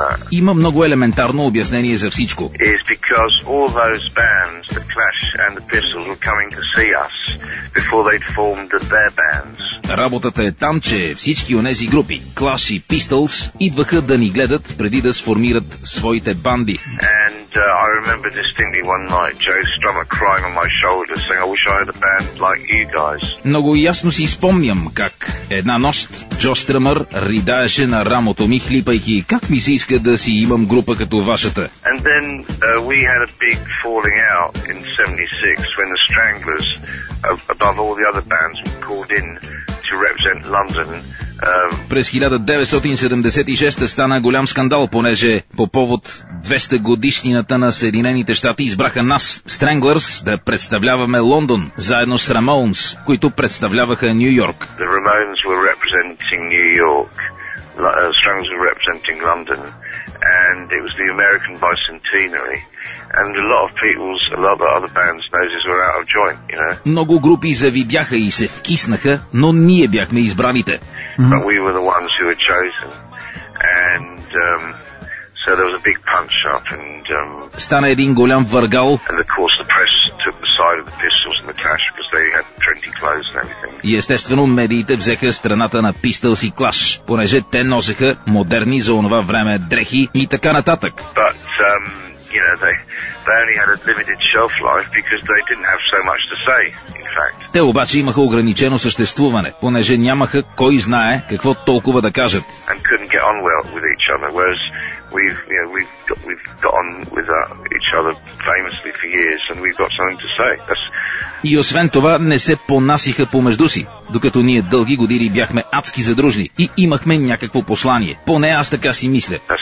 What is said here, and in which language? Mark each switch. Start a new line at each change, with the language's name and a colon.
Bulgarian: Има много елементарно обяснение за всичко.
English: It's because all those bands, the Clash and the Pistols, were coming to see us before they'd formed their bands.
Bulgarian: Работата е там, че всички онези групи, Clash и Pistols, идваха да ни гледат преди да сформират своите банди.
English: And I remember distinctly one night Joe Strummer crying on my shoulder saying I wish I had a band like you guys.
Bulgarian: Много ясно си спомням как една нощ Джо Стръмър ридаеше на рамото ми, хлипайки как ми се иска да си имам група като вашата.
English: And then we had a big falling out in 76 when the Stranglers above all the other bands were called in to represent London.
Bulgarian: През 1976 стана голям скандал, понеже по повод 200 годишнината на Съединените щати избраха нас, Stranglers, да представляваме Лондон, заедно с Ramones, които представляваха Нью Йорк.
English: The Ramones were representing New York, Stranglers were representing London, and it was the American Bicentenary. And a lot of people's, a lot of other bands' noses were out of joint, you know.
Bulgarian: Много групи завидяха и се вкиснаха, но ние бяхме избраните.
English: But we were the ones who were chosen. And so there was a big punch up and
Bulgarian: стана един голям въргал.
English: And of course the press took the side of the Pistols and the Clash because they had trendy clothes and everything.
Bulgarian: И естествено медиите взеха страната на Pistols и Clash, понеже те носеха модерни за онова време дрехи и така нататък.
English: But you know, they only had a limited shelf life because they didn't have so much to say, in fact.
Bulgarian: Те обаче имаха ограничено съществуване, понеже нямаха кой знае какво толкова да кажат.
English: And couldn't get on well with each other, whereas we've got on with each other famously for years and we've got something to say. That's...
Bulgarian: И освен това не се понасиха помежду си, докато ние дълги години бяхме адски задружни и имахме някакво послание. Поне аз така си мисля.